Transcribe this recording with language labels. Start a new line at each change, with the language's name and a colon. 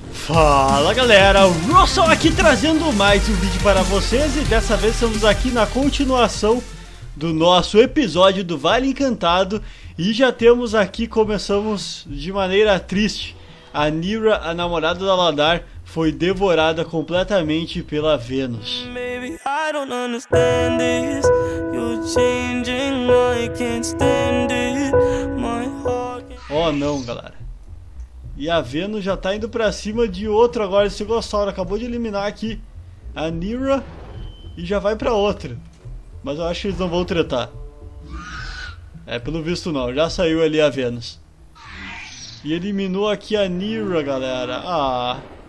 Portuguese: Fala galera, o Russell aqui trazendo mais um vídeo para vocês e dessa vez estamos aqui na continuação do nosso episódio do Vale Encantado e já temos aqui, começamos de maneira triste, a Nira, a namorada da Ladar, foi devorada completamente pela Vênus.
English: Maybe I don't understand this. You're changing, I can't stand it. My heart can't...
Portuguese: Oh não, galera. E a Vênus já tá indo pra cima de outro agora. Esse Gossauro acabou de eliminar aqui a Nira e já vai pra outra. Mas eu acho que eles não vão tretar. É, pelo visto não. Já saiu ali a Vênus. E eliminou aqui a Nira, galera. Ah.